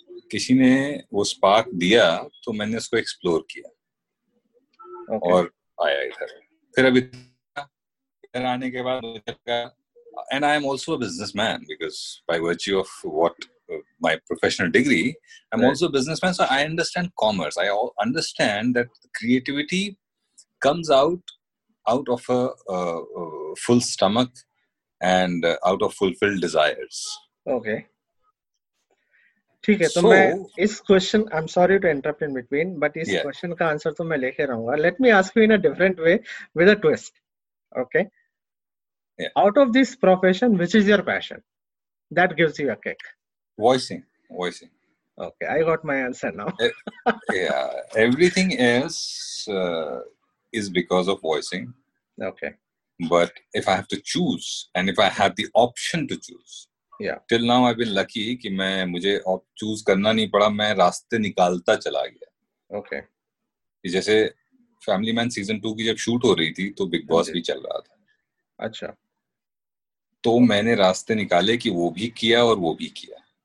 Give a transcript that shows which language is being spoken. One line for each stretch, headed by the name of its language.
Hindi: किसी ने वो स्पार्क दिया तो मैंने उसको एक्सप्लोर किया और आया इधर. फिर अभी इधर आने के बाद
English: And I am also a businessman because by virtue of what my professional degree, I'm right. also a businessman, so I understand commerce. I understand that creativity comes out of a full stomach and out of fulfilled desires.
Hindi: Okay. ठीक है, तो मैं इस question,
English: I'm sorry to interrupt in between, but
Hindi: इस question का answer तो मैं लेके रहूँगा.
English: Let me ask you in a different way with a twist. Okay. Yeah. Out of this profession, which is your passion? That gives you a kick. Voicing. Okay, I got my answer now. Yeah, everything else is because of voicing. Okay. But if I have to choose, and if I have the option to choose, yeah. Till now I've been lucky
Hindi: कि मैं मुझे choose करना नहीं पड़ा, मैं रास्ते निकालता चला गया.
English: Okay.
Hindi: जैसे Family Man Season 2 की जब shoot हो रही थी तो Big Boss भी चल रहा था. अच्छा. तो मैंने रास्ते निकाले कि वो भी किया और वो भी किया.